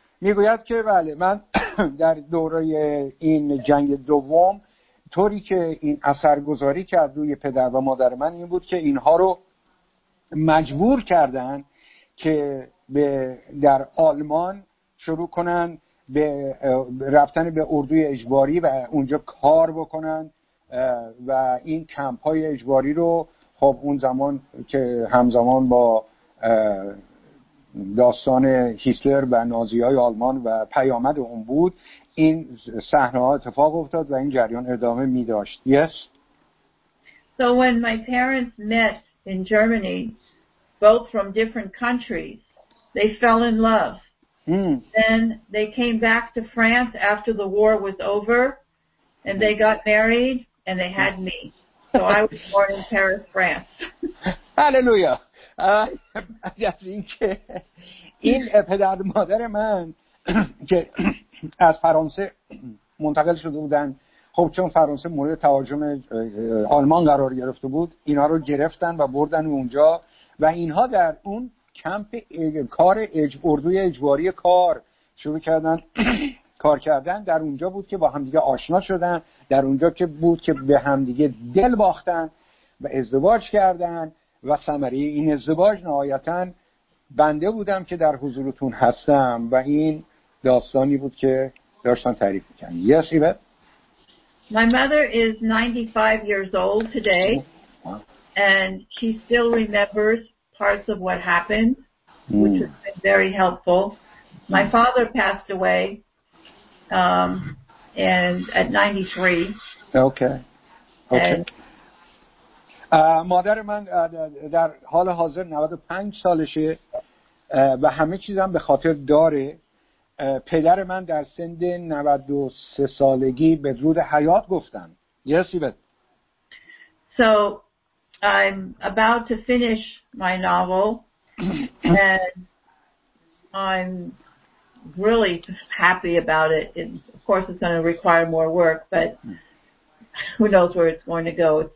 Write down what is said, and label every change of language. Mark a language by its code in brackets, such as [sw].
[fa] میگوید که بله من در دوره این جنگ دوم طوری که این اثرگذاری کرد روی پدر و مادر من این بود که اینها رو مجبور کردن که به در آلمان شروع کنن به رفتن به اردوی اجباری و اونجا کار بکنن و این کمپ های اجباری رو خب اون زمان که همزمان با داستان هیتلر و نازی‌های آلمان و پیامد اون بود این صحنه‌ها اتفاق افتاد و این جریان ادامه می‌داشت. [en] Yes. So when my parents met in Germany, both from different countries, they fell in love. Then they came back to France after the war was over and they got married and they had me. So I was born in Paris, France. Hallelujah. [fa] از این که این پدر مادر من که از فرانسه منتقل شده بودن، خب چون فرانسه مورد تهاجم آلمان قرار گرفته بود اینها رو گرفتن و بردن اونجا و اینها در اون کمپ اردوی اجباری کار شروع کردن کار کردن. در اونجا بود که با همدیگه آشنا شدن، در اونجا که بود که به همدیگه دل باختن و ازدواج کردن و ثمره این ازدواج نهایتاً بنده بودم که در حضورتون هستم و این داستانی بود که داشتم تعریف می‌کردم. [en] Yes, Yvette. My mother is 95 years old today and she still remembers parts of what happened, which has been very helpful. My father passed away at 93. Okay. [fa] مادر من در حال حاضر 95 سالشه و همه چیزم به خاطر داره. پدر من در سن 93 سالگی به درود حیات گفتن. [en] Yes, so I'm about to finish my novel and I'm really happy about it. Of course it's going to require more work, but who knows where it's going to go.